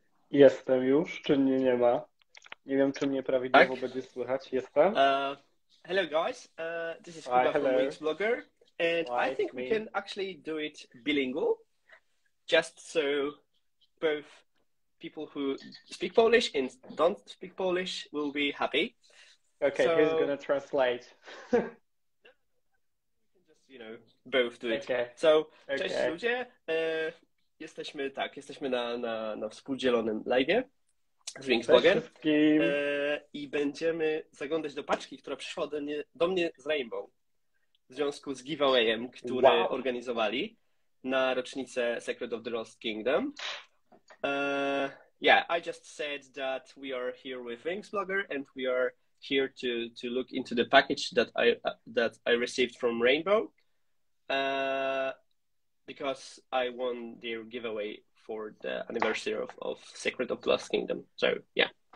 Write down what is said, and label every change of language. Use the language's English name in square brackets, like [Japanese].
[Polish] Jestem już, czy mnie nie ma? Nie wiem, czy mnie prawidłowo będzie słychać. Jestem. [English] Hello guys, this is Kuba from WinxBlogger, and I think we can actually do it bilingual, just so both people who speak Polish and don't speak Polish will be happy. Okay, so, who's gonna translate? Just, you know, both do it. Okay. [Polish] So, cześć ludzie, jesteśmy, tak, jesteśmy na współdzielonym live'ie. Z WinxBlogger i będziemy zaglądać do paczki, która przyszła do mnie z Rainbow w związku z giveaway'em, który organizowali na rocznicę Secret of the Lost Kingdom. [English] I just said that we are here with WinxBlogger and we are here to look into the package that I received from Rainbow because I won their giveaway for the anniversary of Secret of the Lost Kingdom. So, yeah.